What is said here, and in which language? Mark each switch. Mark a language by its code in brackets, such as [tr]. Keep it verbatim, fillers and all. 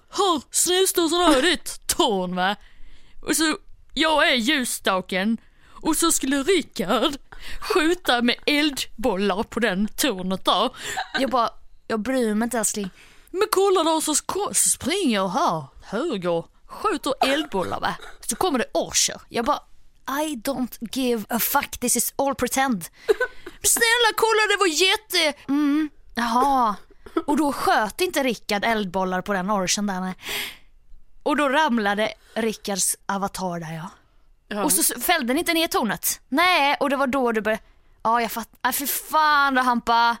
[sv] Hör, snusdosan har ditt torn va. Och så jag är ljusstaken och så skulle Rickard skjuta med eldbollar på den tornet då. Jag bara, jag bryr mig inte älskling. Men kolla då så springer jag här höger, skjuter eldbollar va. Så kommer det orcher. Jag bara, [en] I don't give a fuck, this is all pretend. [sv] Snälla kolla det var jätte mm, jaha. Och då sköt inte Rickard eldbollar på den orchen där nej. Och då ramlade Rickards avatar där ja. Ja. Och så fällde den inte ner tornet. Nej, och det var då du började... Ja, jag fattar. Ja, för fan då, Hampa.